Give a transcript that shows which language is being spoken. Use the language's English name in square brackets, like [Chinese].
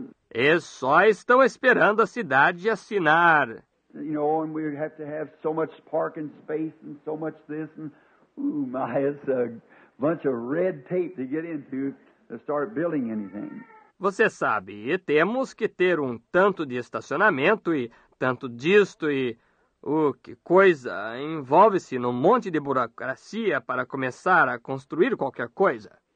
[Portuguese] Eles só estão esperando a cidade assinar. [English] You know, and we have to have so much parking space and so much this and ooh my, it's a bunch of red tape to get into to start building anything. [Portuguese] Você sabe, e temos que ter um tanto de estacionamento e tanto disto e... que coisa! Envolve-se num monte de burocracia para começar a construir qualquer coisa.